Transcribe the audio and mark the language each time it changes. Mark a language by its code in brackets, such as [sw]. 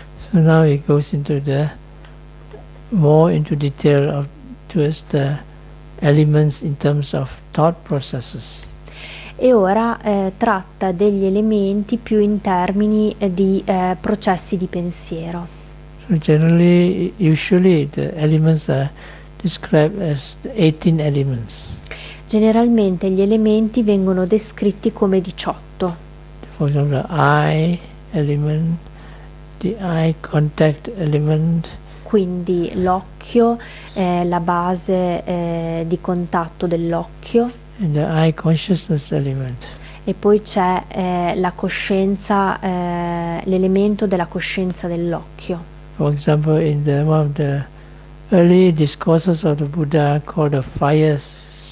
[en] So now he goes into the more into detail of towards the elements in terms of thought processes. [it] E ora tratta degli elementi più in termini di processi di pensiero. [en] So generally, usually the elements are described as the 18 elements. [it] Generalmente gli elementi vengono descritti come 18. [en] For example, the eye element, the eye contact element. [it] Quindi l'occhio, la base di contatto dell'occhio. [en] And the eye consciousness element. [it] E poi c'è la coscienza, l'elemento della coscienza dell'occhio. [en] For example, in the one of the early discourses of the Buddha called the fires.